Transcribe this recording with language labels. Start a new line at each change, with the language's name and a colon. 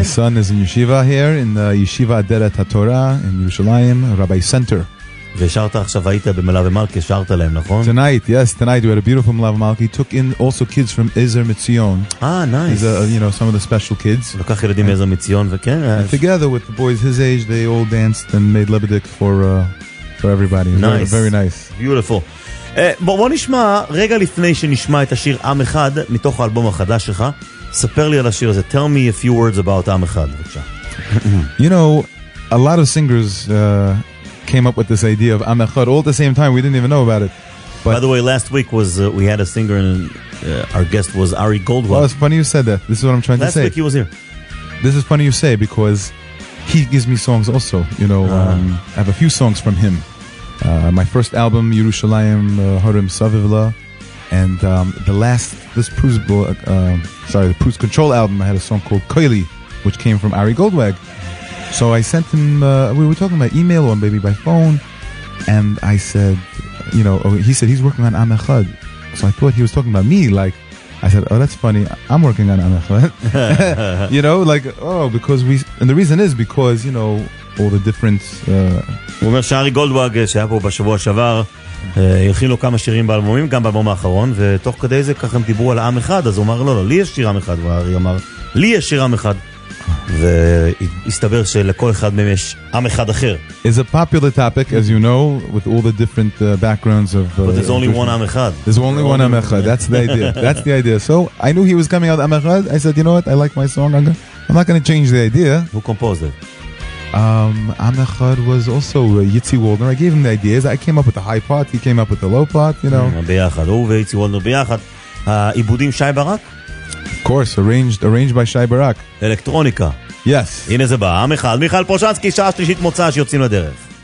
English: My son is in yeshiva here, in the yeshiva Adelet HaTorah, in Yerushalayim, Rabbi Center.
Hebrew: ושרת עכשיו, היית במלאב ומלכי, שרת להם, נכון?
English: Tonight, yes, tonight we had a beautiful מלאב ומלכי. Took in also kids from Ezer Mitzion. Ah, nice. A, you know, some of the special kids.
Hebrew: לקח ילדים מאזר מציון, וכן.
English: And together with the boys his age, they all danced and made lebedik for everybody. Nice. Very nice. Beautiful.
Hebrew: בוא נשמע, רגע לפני שנשמע את השיר עם אחד, מתוך האלבום החדש שלך, ספר לי על השיר הזה.
English: Tell me a few words about עם אחד, בבקשה. You know, a lot of singers... came up with this idea of Am Echad all at the same time. We didn't even know about it. But by the way, last week was we had a singer and our guest was Ari Goldwell. Well, it's funny you said that. This is what I'm trying last to say. Last week he was here. This is funny you say because he gives me songs also. You know, I have a few songs from him. My first album, Yerushalayim Harim Savivla, and the last, this Proust book, sorry, the Proust Control album, I had a song called Koili, which came from Ari Goldwell. So I sent him, we were talking by email or maybe by phone, and I said, you know, he said he's working on Am Echad. So I thought he was talking about me, like, I said, oh, that's funny, I'm working on Am Echad. You know, like, oh, because we, and the reason is because, you know, all the different...
Hebrew: הוא אומר שארי גולדווג, שהיה פה בשבוע שעבר, הכין לו כמה שירים באלבומים, גם באלבום האחרון, ותוך כדי זה ככה הם דיברו על עם אחד, אז הוא אמר, לא, לא, לי יש שיר עם אחד, וארי אמר, לי יש שיר עם אחד. והסתבר שלכל אחד מהם יש עם אחד אחר.
English: It's a popular topic, as you know, with all the different backgrounds of... But there's only one עם אחד. There's only one עם אחד, that's the idea. That's the idea. So, I knew he was coming out עם אחד, I said, you know what, I like my song, I'm not going to change the idea. Who composed it? Am Echad was also Yitzi Waldner. I gave him the ideas. I came up with the high part, he came up with the low part, you know.
Hebrew: ביחד, הוא ויצי וולדנר ביחד. העיבודים שי ברק?
English: Of course, arranged by Shai Barak. Electronica. Yes.
Hebrew: הנה זה בא, עם אחד. מיכאל פרוז'נסקי, שעה שלישית מוצא שיוצאים לדרך.